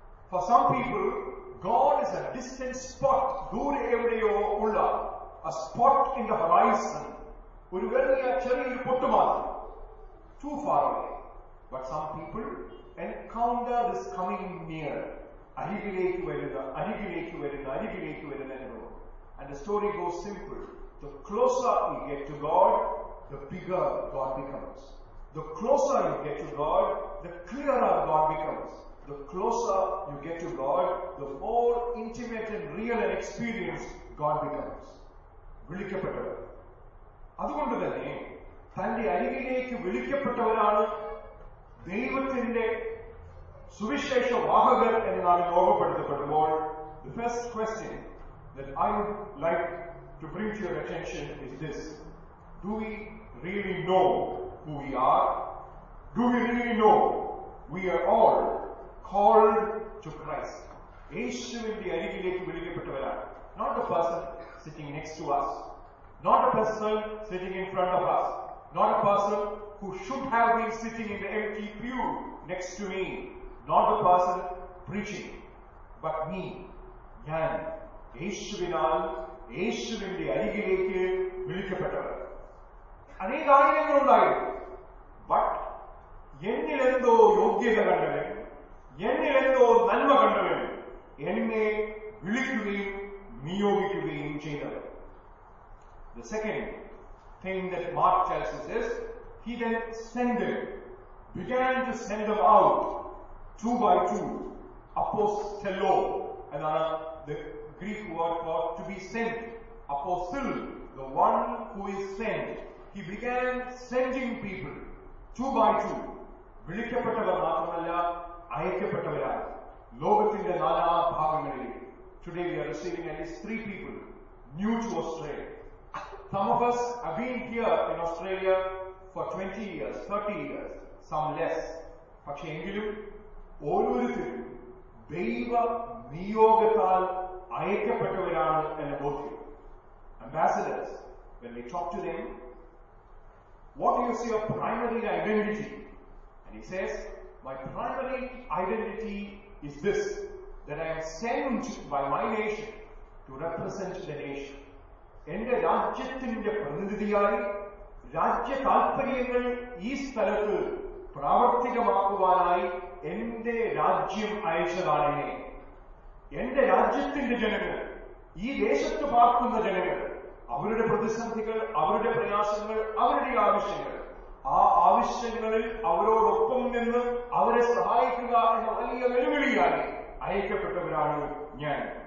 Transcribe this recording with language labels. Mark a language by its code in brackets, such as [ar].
[en] for some people God is a distant spot, [ml] ദൂരെ എവിടെയോ ഉള്ള [en] a spot in the horizon, [ml] ഒരു വലിയ ചെറിയൊരു പൊട്ടുമാത്രം. [en] Too far away. But some people encounter this coming near, [ml] അരികിലേക്ക് വരുന്ന, അരികിലേക്ക് വരുന്ന, അരികിലേക്ക് വരുന്ന എന്നുള്ളത്. [en] And the story goes simple. The closer you get to God, the bigger God becomes. The closer you get to God, the clearer God becomes. The closer you get to God, the more intimate and real and experienced God becomes. [ml] വിളിക്കപ്പെട്ടവർ. അതുകൊണ്ട് തന്നെ തന്റെ അരികിലേക്ക് വിളിക്കപ്പെട്ടവരാണ് ദൈവത്തിന്റെ സുവിശേഷ വാഹകർ എന്നാണ് ലോകപ്പെടുത്തപ്പെടുമ്പോൾ. [en] The first question that I would like to bring to your attention is this. Do we really know who we are? Do we really know we are all called to Christ? [ml] Yeshuvinte arigilekku vilikkappettavaraa. [en] Not the person sitting next to us. Not a person sitting in front of us. Not a person who should have been sitting in the empty pew next to me. Not the person preaching. But me, Yan. [ml] യേശുവിനാൽ യേശുവിന്റെ അരികിലേക്ക് വിളിക്കപ്പെട്ടവർ. അനേക കാര്യങ്ങളുണ്ടായിരുന്നു, but എന്നിലെന്തോ യോഗ്യത കണ്ടവൻ, എന്നിലെന്തോ നന്മ കണ്ടവൻ എന്നെ വിളിക്കുകയും നിയോഗിക്കുകയും ചെയ്തവൻ. [en] The second thing that Mark tells us is, he then sent them, began to send them out, two by two, apostello, എന്നാണ് the Greek word for to be sent, apostle, the one who is sent. He began sending people, two by two. [ml] വിളിക്കപ്പെട്ടവർ മാത്രമല്ല അയക്കപ്പെട്ടവരാണ് ലോകത്തിന്റെ നാനാ ഭാഗങ്ങളിൽ. [en] Today we are receiving at least three people new to Australia. Some of us have been here in Australia for 20 years, 30 years, some less. [ml] പക്ഷേ എങ്കിലും ഓരോരുത്തരും ദൈവ നിയോഗത്താൽ അയക്കപ്പെട്ടവരാണ് എന്ന ബോധ്യം. [en] Ambassadors, when they talk to them, what is your primary identity? And he says, my primary identity is this, that I am sent by my nation to represent the nation. [ml] എന്റെ രാജ്യത്തിന്റെ പ്രതിനിധിയായി രാജ്യ താൽപര്യങ്ങൾ ഈ സ്ഥലത്ത് പ്രാവർത്തികമാക്കുവാനായി എന്റെ രാജ്യം അയച്ചതാണെന്നെ. എന്റെ രാജ്യത്തിന്റെ ജനങ്ങൾ, ഈ ദേശത്ത് പാർക്കുന്ന ജനങ്ങൾ, അവരുടെ പ്രതിസന്ധികൾ, അവരുടെ പ്രയാസങ്ങൾ, അവരുടെ ആവശ്യങ്ങൾ, ആ ആവശ്യങ്ങളിൽ അവരോടൊപ്പം നിന്ന് അവരെ സഹായിക്കുക എന്ന വലിയ വെല്ലുവിളിയായി അയക്കപ്പെട്ടവരാണ് ഞാൻ.